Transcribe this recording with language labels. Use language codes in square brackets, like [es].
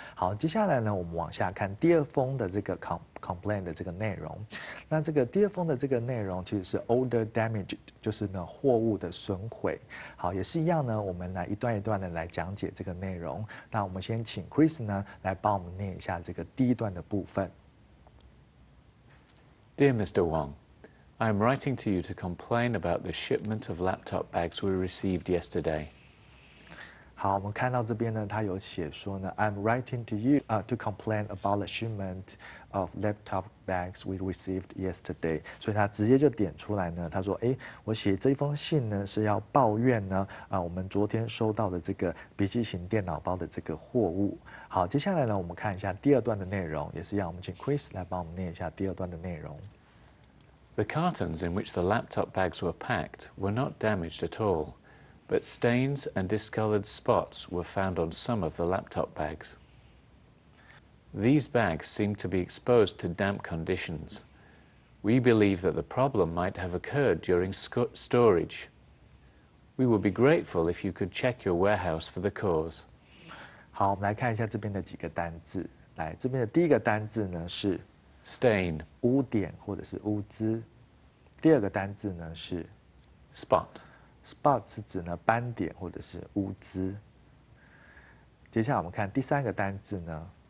[zh] 好，接下来呢，我们往下看第二封的这个 complaint 的这个内容。那这个第二封的这个内容其实是 [en] order damaged， [zh] 就是呢货物的损毁。好，也是一样呢，我们来一段一段的来讲解这个内容。那我们先请 Chris 呢来帮我们念一下这个第一段的部分。 [en] Dear Mr. Wang, I am writing to you to complain about the shipment of laptop bags we received yesterday. [zh] 好，我们看到这边呢，他有写说呢， [en] I'm writing to you to complain about the shipment of laptop bags we received yesterday。 [zh] 所以他直接就点出来呢，他说，哎，我写这封信呢是要抱怨呢，我们昨天收到的这个笔记型电脑包的这个货物。好，接下来呢，我们看一下第二段的内容，也是要我们请 Chris 来帮我们念一下第二段的内容。 [en] The cartons in which the laptop bags were packed were not damaged at all. But stains and discolored spots were found on some of the laptop bags. These bags seemed to be exposed to damp conditions. We believe that the problem might have occurred during storage. We would be grateful if you could check your warehouse for the cause. [zh] 好，我们来看一下这边的几个单字。来，这边的第一个单字呢是 [en] stain [zh] 污点或者是污渍。第二个单字呢是 [en] spot。 [zh] Spot 是指呢斑点或者是污渍。接下来我们看第三个单字呢